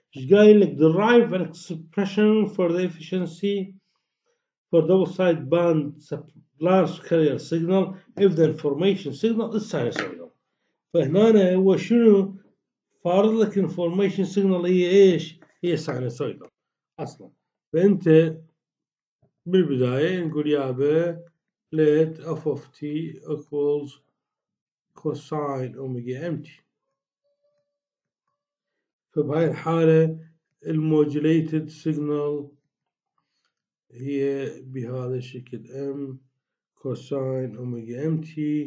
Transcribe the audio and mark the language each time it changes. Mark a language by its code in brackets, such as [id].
[ar] إيش قايل لك؟ [en] derive an expression for the efficiency for double side band large carrier signal if the information signal is sinusoidal. [ar] فهنا هو شنو فارض لك information signal هي إيش؟ هي sinusoidal أصلاً. فأنت بالبداية نقول يا أبا [en] let f of t equals cosine omega mt. [ar] فبهاي الحالة الموجوليتد سيجنال هي بهذا الشكل m cosine omega mt.